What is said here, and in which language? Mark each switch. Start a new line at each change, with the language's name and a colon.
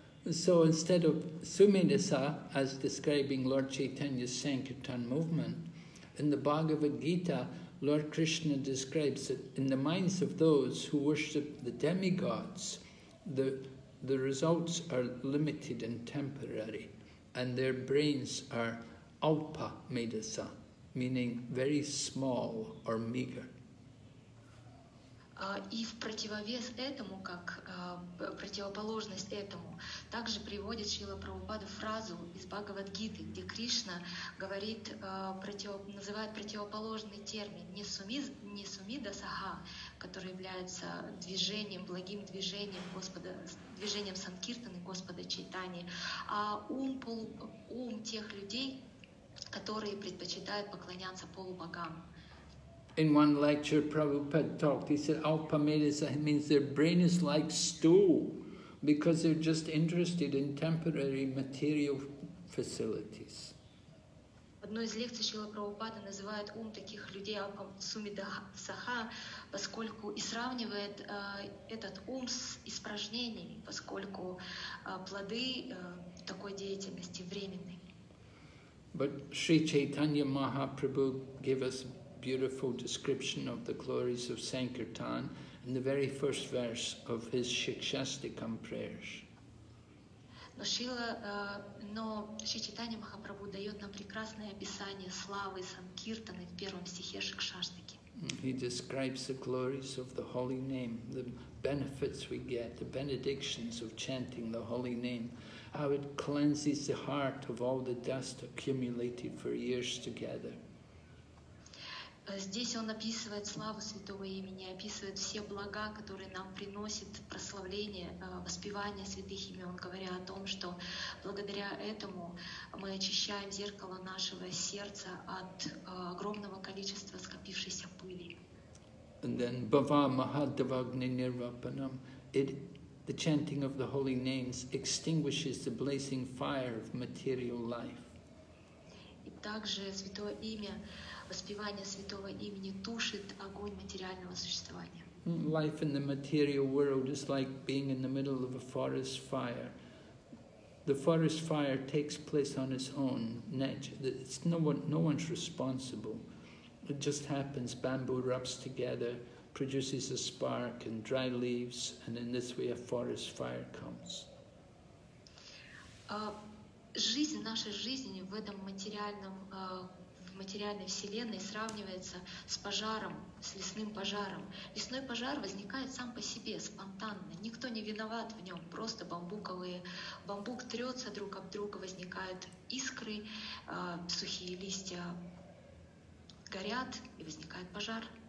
English: So instead of Sumedasa, as describing Lord Chaitanya's Sankirtan movement, in the Bhagavad Gita, Lord Krishna describes that in the minds of those who worship the demigods, the results are limited and temporary, and their brains are alpa medasa, meaning very small or meager.
Russian: И в противовес этому, как противоположность этому, также приводит Шрила Прабхупада фразу из Бхагавад-гиты, где Кришна говорит, называет противоположный термин не сумидасаха, который является движением, благим движением Господа, движением санкиртаны Господа Чайтани, а ум тех людей, которые предпочитают поклоняться полубогам.
English: In one lecture Prabhupada talked, he said alpamedasa means their brain is like stool because they're just interested in temporary material facilities.
Russian: Одной из лекций Шрила Прабхупада называет ум таких людей сумидасаха, поскольку и сравнивает этот ум с испражнениями, поскольку плоды такой деятельности временны.
English: But Sri Chaitanya Mahaprabhu gave us beautiful description of the glories of Sankirtan in the very first verse of his Shikshastikam prayers.
Russian: Но Шрила, но Шри Чайтанья Махапрабху дает нам прекрасное описание славы Санкиртаны в первом стихе Шикшаштики.
English: He describes the glories of the holy name, the benefits we get, the benedictions of chanting the holy name, how it cleanses the heart of all the dust accumulated for years together.
Russian: Здесь он описывает славу святого имени, описывает все блага, которые нам приносит прославление, воспевание святых имен, говоря о том, что благодаря этому мы очищаем зеркало нашего сердца от огромного количества скопившейся пыли.
English: And then
Sanskrit: Bhava Mahadvagni Nirvapanam,
English: the chanting of the holy names extinguishes the blazing fire of material life.
Russian: И также святое имя, воспевание святого имени тушит огонь материального существования.
English: Life in the material world is like being in the middle of a forest fire. The forest fire takes place on its own. It's no one's responsible. It just happens. Bamboo rubs together, produces a spark and dry leaves, and in this way a forest fire comes.
Russian: Жизнь, наша жизнь в этом материальном материальной вселенной сравнивается с пожаром, с лесным пожаром. Лесной пожар возникает сам по себе, спонтанно. Никто не виноват в нем, просто бамбуковые. Бамбук трется друг об друга, возникают искры, сухие листья горят, и возникает пожар.